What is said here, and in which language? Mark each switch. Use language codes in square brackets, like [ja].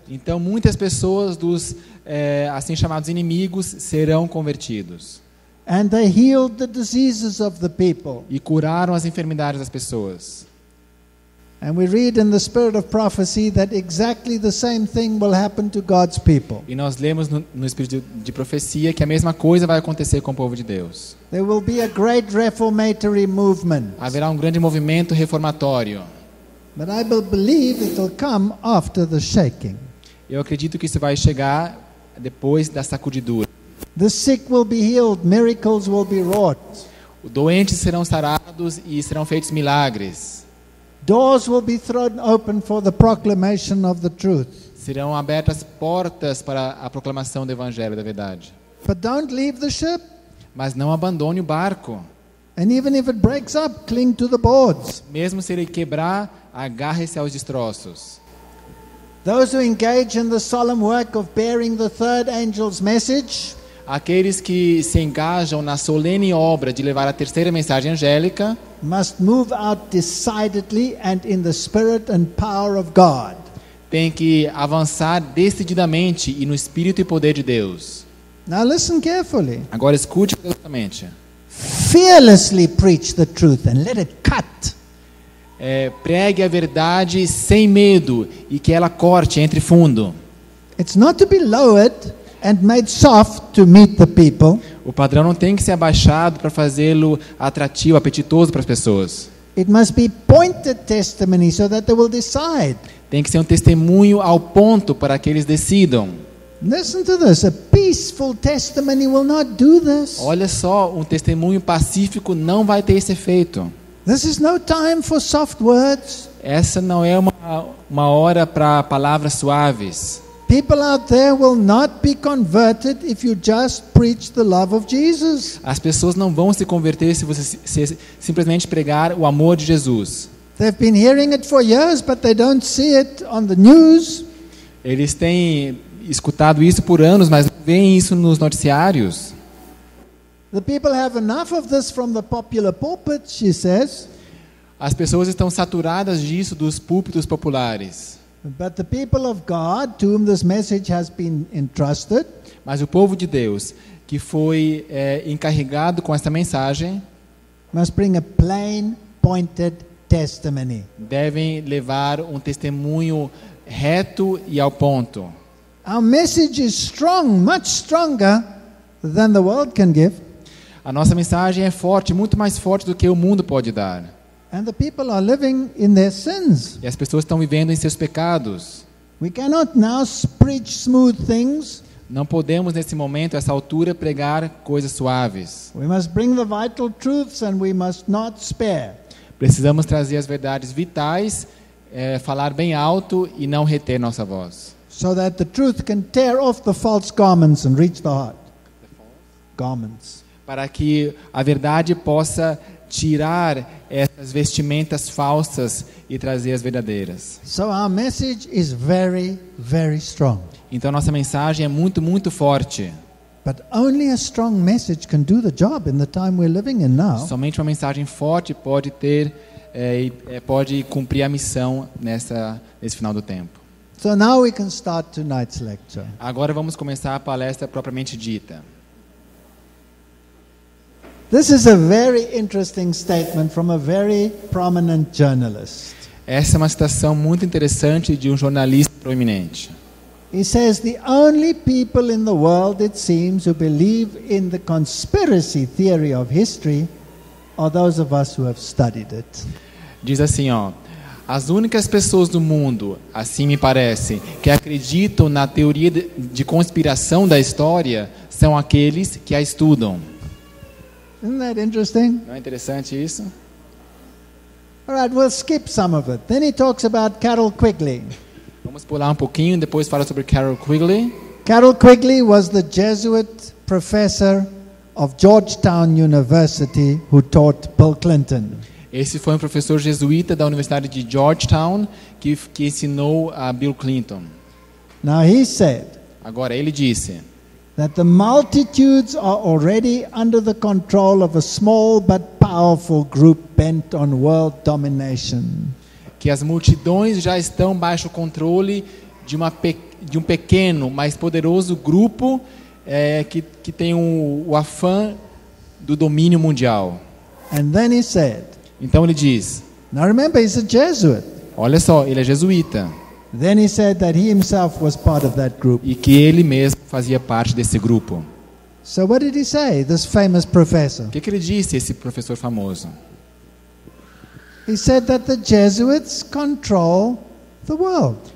[pt] Então muitas pessoas dos assim chamados inimigos serão convertidos. [en] And they healed the diseases of the people. [pt] E curaram as enfermidades das pessoas. [en] And we read in the spirit of prophecy that exactly the same thing will happen to God's people. [pt] E nós lemos no espírito de profecia que a mesma coisa vai acontecer com o povo de Deus. [en] There will be a great reformatory movement. [pt] Haverá grande movimento reformatório. [en] But I believe it will come after the shaking. [pt] Eu acredito que isso vai chegar depois da sacudidura. [en] The sick will be healed, miracles will be wrought. [pt] Os doentes serão sarados e serão feitos milagres. [en] Doors will be thrown open for the proclamation of the truth. [pt] Serão abertas portas para a proclamação do evangelho da verdade. [en] But don't leave the ship. [pt] Mas não abandone o barco. [en] And even if it breaks up, cling to the boards. [pt] Mesmo se ele quebrar, agarre-se aos destroços. [en] Those who engage in the solemn work of bearing the third angel's message, [pt] aqueles que se engajam na solene obra de levar a terceira mensagem angélica, [en] must move out decidedly and in the spirit and power of God. [pt] Tem que avançar decididamente e no espírito e poder de Deus. [en] Now listen carefully. [pt] Agora escute atentamente. [en] Fearlessly preach the truth and let it cut. [pt] Pregue a verdade sem medo e que ela corte entre fundo. [en] It's not to be lowered and made soft to meet the people. [pt] O padrão não tem que ser abaixado para fazê-lo atrativo, apetitoso para as pessoas. [en] It must be pointed testimony so that they will decide. [pt] Tem que ser um testemunho ao ponto para que eles decidam. [en] Listen to this. A peaceful testimony will not do this. [pt] Olha só, um testemunho pacífico não vai ter esse efeito. [en] This is no time for soft words. [pt] Essa não é uma hora para palavras suaves. [en] People out there will not be converted if you just preach the love of Jesus. [pt] As pessoas não vão se converter se você simplesmente pregar o amor de Jesus. [en] They've been hearing it for years, but they don't see it on the news. [pt] Eles têm escutado isso por anos, mas não veem isso nos noticiários. [en] The people have enough of this from the popular pulpit, she says. [pt] As pessoas estão saturadas disso dos púlpitos populares. [en] But the people of God, to whom this message has been entrusted, [pt] mas o povo de Deus que foi encarregado com esta mensagem, [en] must bring a plain, pointed testimony. [pt] Devem levar um testemunho reto e ao ponto. [en] Our message is strong, much stronger than the world can give. [pt] A nossa mensagem é forte, muito mais forte do que o mundo pode dar. [en] And the people are living in their sins. [pt] E as pessoas estão vivendo em seus pecados. [en] We cannot now preach smooth things. [pt] Não podemos, nesse momento, essa altura, pregar coisas suaves. [en] We must bring the vital truths and we must not spare. [pt] Precisamos trazer as verdades vitais, falar bem alto e não reter nossa voz. [en] So that the truth can tear off the false garments and reach the heart. Garments. [pt] Para que a verdade possa tirar essas vestimentas falsas e trazer as verdadeiras. [en] So our message is very, very strong. [pt] Então nossa mensagem é muito, muito forte. [en] But only a strong message can do the job in the time we're living in now. [pt] Somente uma mensagem forte pode ter pode cumprir a missão nesse final do tempo. [en] So now we can start tonight's lecture. [pt] Agora vamos começar a palestra propriamente dita. [en] This is a very interesting statement from a very prominent journalist. [pt] Essa é uma citação muito interessante de jornalista proeminente. [en] He says the only people in the world, it seems, who believe in the conspiracy theory of history are those of us who have studied it. [pt] Diz assim, ó: as únicas pessoas do mundo, assim me parece, que acreditam na teoria de conspiração da história são aqueles que a estudam. [en] Isn't that interesting? [pt] Não é interessante isso? [en] All right, we'll skip some of it. Then he talks about Carol Quigley. [pt] Vamos pular um pouquinho e depois fala sobre Carol Quigley. [en] Carol Quigley was the Jesuit professor of Georgetown University who taught Bill Clinton. [pt] Esse foi um professor jesuíta da Universidade de Georgetown que ensinou a Bill Clinton. [en] Now he said. [pt] Agora ele disse. [en] That the multitudes are already under the control of a small but powerful group bent on world domination. [pt] Que as multidões já estão baixo controle de um pequeno, mas poderoso grupo que tem o afã do domínio mundial. [en] And then he said. [pt] Então ele diz. [en] Now remember, he's a Jesuit. [pt] Olha só, ele é jesuíta. [en] Then he said that he himself was part of that group. [pt] E que ele mesmo fazia parte desse grupo. [en] So what did he say, this famous professor? [pt] Que ele disse, esse professor famoso? [en] He said that the Jesuits control the world.